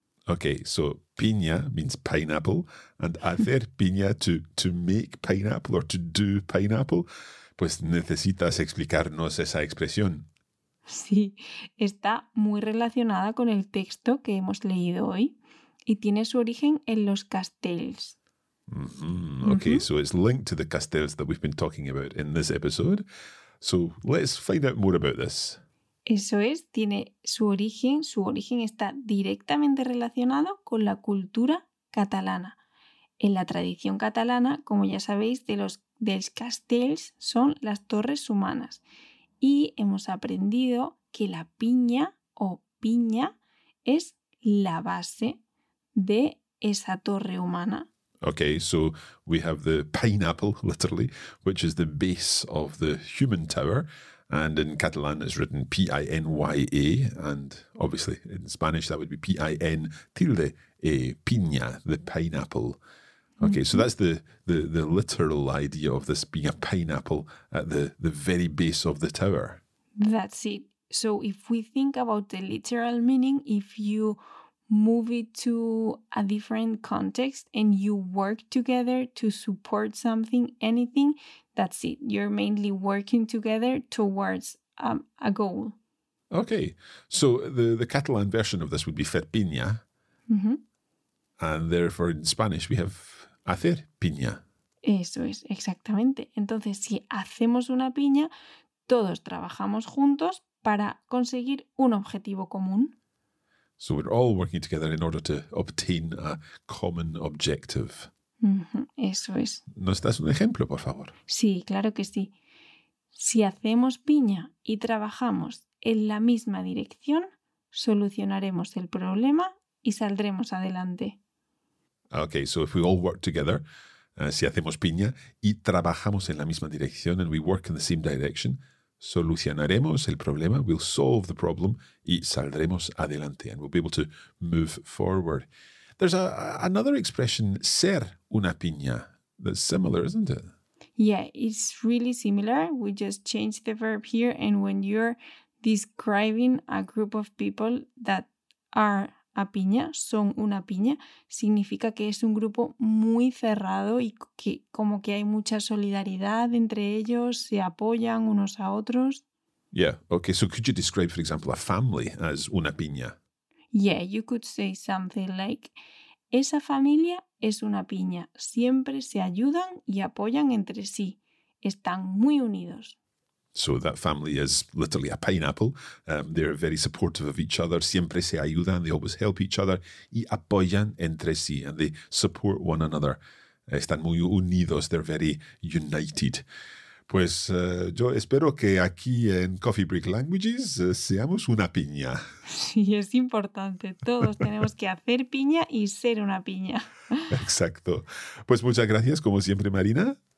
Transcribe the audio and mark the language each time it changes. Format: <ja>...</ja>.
<en>Ok, so piña means pineapple, and hacer piña to make pineapple or to do pineapple,</en> <es>pues necesitas explicarnos esa expresión. Sí, está muy relacionada con el texto que hemos leído hoy y tiene su origen en los castells. Mm-hmm.</es> <en>Ok, So it's linked to the castells that we've been talking about in this episode. So let's find out more about this.</en> <es>Eso es, tiene su origen está directamente relacionado con la cultura catalana. En la tradición catalana, como ya sabéis, dels castells son las torres humanas. Y hemos aprendido que la piña o piña es la base de esa torre humana.</es> <en>Okay, so we have the pineapple, literally, which is the base of the human tower. And in Catalan, it's written P-I-N-Y-A, and obviously in Spanish, that would be P-I-N-tilde-A, piña, the pineapple. Okay, So that's the literal idea of this being a pineapple at the very base of the tower. That's it. So if we think about the literal meaning, if you move it to a different context and you work together to support something, anything, that's it. You're mainly working together towards a goal. Okay. So the Catalan version of this would be fer piña. Mm-hmm. And therefore in Spanish we have hacer piña.</en> <es>Eso es, exactamente. Entonces, si hacemos una piña, todos trabajamos juntos para conseguir un objetivo común.</es> <en>So we're all working together in order to obtain a common objective.</en> <es>Eso es. ¿Nos das un ejemplo, por favor? Sí, claro que sí. Si hacemos piña y trabajamos en la misma dirección, solucionaremos el problema y saldremos adelante.</es> <en>Okay, so if we all work together,</en> <es>si hacemos piña y trabajamos en la misma dirección</es> <en>and we work in the same direction,</en> <es>solucionaremos el problema,</es> <en>we'll solve the problem</en> <es>y saldremos adelante</es> <en>and we'll be able to move forward. There's another expression, ser una piña, that's similar, isn't it? Yeah, it's really similar. We just change the verb here, and when you're describing a group of people that are a piña,</en> <es>son una piña, significa que es un grupo muy cerrado y que como que hay mucha solidaridad entre ellos, se apoyan unos a otros.</es> <en>Yeah, okay, so could you describe, for example, a family as una piña? Yeah, you could say something like,</en> <es>esa familia es una piña, siempre se ayudan y apoyan entre sí, están muy unidos.</es> <en>So that family is literally a pineapple. They're very supportive of each other.</en> <es>Siempre se ayudan.</es> <en>They always help each other.</en> <es>Y apoyan entre sí.</es> <en>And they support one another.</en> <es>Están muy unidos.</es> <en>They're very united.</en> <es>Pues yo espero que aquí en Coffee Break Languages seamos una piña. Sí, es importante. Todos tenemos que hacer piña y ser una piña. Exacto. Pues muchas gracias, como siempre, Marina.</es>